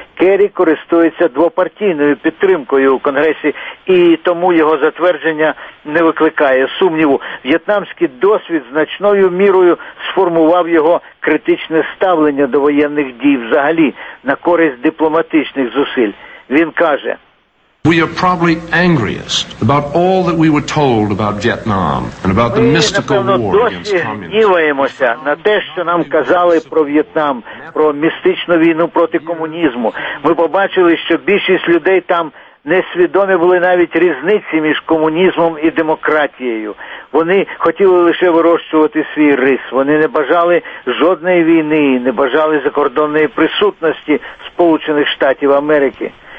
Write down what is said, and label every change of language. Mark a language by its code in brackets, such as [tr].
[uk] Керрі користується двопартійною підтримкою у Конгресі, і тому його затвердження не викликає сумніву. В'єтнамський досвід значною мірою сформував його критичне ставлення до воєнних дій взагалі на користь дипломатичних зусиль. Він каже, [en] We are probably angriest about all that we were told about Vietnam and about the mystical war against communism. [uk] Ми, напевно, досі гніваємося на те, що нам казали про В'єтнам, про містичну війну проти комунізму. Ми побачили, що більшість людей там несвідомі були навіть різниці між комунізмом і демократією. Вони хотіли лише вирощувати свій рис. Вони не бажали жодної війни, не бажали закордонної присутності Сполучених Штатів Америки.